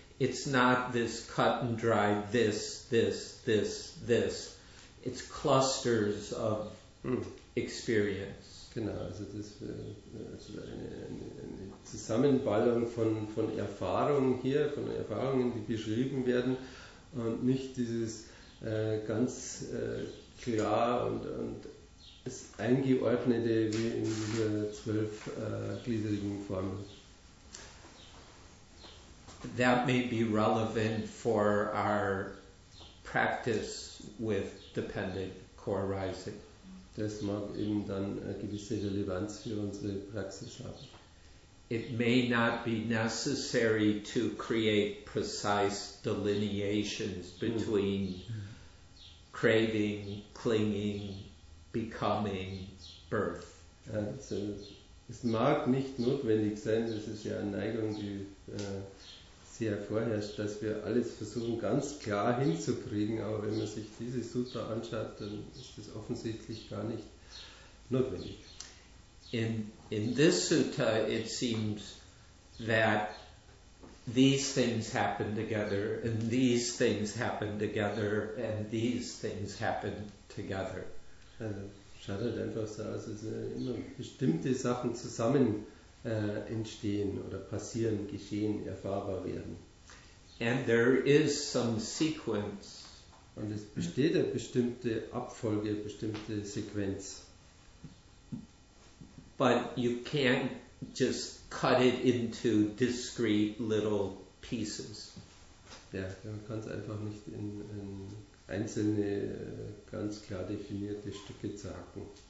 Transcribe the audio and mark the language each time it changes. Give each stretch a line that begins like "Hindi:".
English: It's not this cut and dry, this, this, this, this. It's clusters of experience.
German: Genau, also das also eine Zusammenballung von Erfahrungen hier, von Erfahrungen, die beschrieben werden, und nicht dieses ganz klar und das eingeordnete wie in dieser zwölfgliedrigen Formel.
English: That may be relevant for our practice with dependent core rising.
German: Das mag eben dann eine gewisse Relevanz für unsere Praxis haben.
English: It may not be necessary to create precise delineations between craving, clinging, becoming, birth.
German: Also, es mag nicht notwendig sein, das ist ja eine Neigung, die sehr vorherrscht, dass wir alles versuchen ganz klar hinzukriegen, aber wenn man sich diese Sutta anschaut, dann ist das offensichtlich gar nicht notwendig.
English: In this Sutta it seems that these things happen together and these things happen together and these things happen together.
German: Schaut halt einfach so aus, dass immer bestimmte Sachen zusammen entstehen oder passieren, geschehen, erfahrbar werden.
English: And there is some sequence.
German: Und es besteht eine bestimmte Abfolge, eine bestimmte Sequenz.
English: But you can't just cut it into discrete little pieces.
German: Ja, man kann es einfach nicht in einzelne, ganz klar definierte Stücke zerhacken.